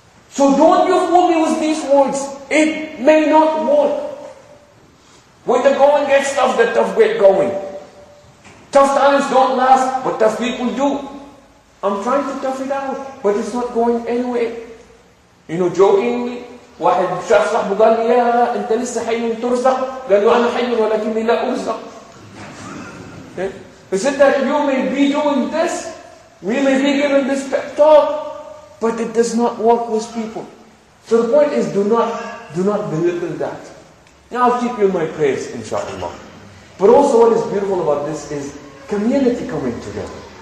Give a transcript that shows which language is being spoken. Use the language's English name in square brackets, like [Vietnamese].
[English] So don't you fool me with these words. It may not work. When the going gets tough, the tough get going. Tough times don't last, but tough people do. I'm trying to tough it out, but it's not going anywhere. You know, jokingly, [Arabic] واحد شخص صاحبه قال لي يا انت لسه حي ترزق قال له انا حي ولكني لا ارزق. [English] He said that you may be doing this, we may be giving this pep talk, but it does not work with people. So the point is, do not belittle that. Now I'll keep you in my prayers, inshallah. But also what is beautiful about this is community coming together.